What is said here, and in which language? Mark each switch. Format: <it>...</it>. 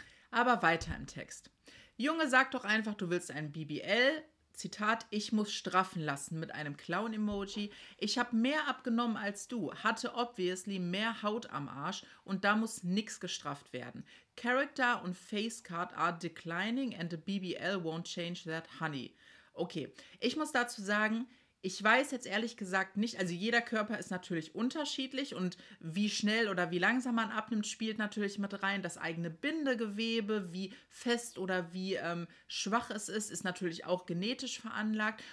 <de>Aber weiter im Text. Junge, sag doch einfach, du willst ein BBL. Zitat, ich muss straffen lassen mit einem Clown-Emoji. Ich habe mehr abgenommen als du, hatte obviously mehr Haut am Arsch und da muss nichts gestrafft werden.</de> <en>Character und Facecard are declining and the BBL won't change that, honey.</en> <de>Okay, ich muss dazu sagen, ich weiß jetzt ehrlich gesagt nicht, also jeder Körper ist natürlich unterschiedlich und wie schnell oder wie langsam man abnimmt, spielt natürlich mit rein. Das eigene Bindegewebe, wie fest oder wie schwach es ist, ist natürlich auch genetisch veranlagt.</de>